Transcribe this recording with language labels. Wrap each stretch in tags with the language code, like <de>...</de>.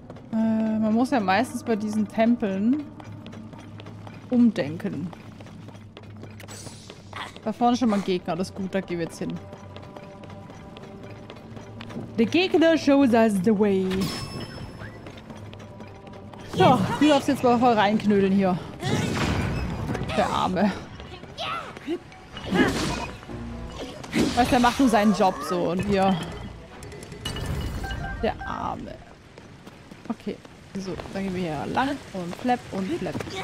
<de>Man muss ja meistens bei diesen Tempeln umdenken. Da vorne ist schon mal ein Gegner. Das ist gut, da gehen wir jetzt hin.</de> <en>The Gegner shows us the way.</en> <de>So, du darfst jetzt mal voll reinknödeln hier. Der Arme. Weißt du, der macht nur seinen Job so und wir... Der Arme. Okay. So, dann gehen wir hier lang und flap und flap.</de>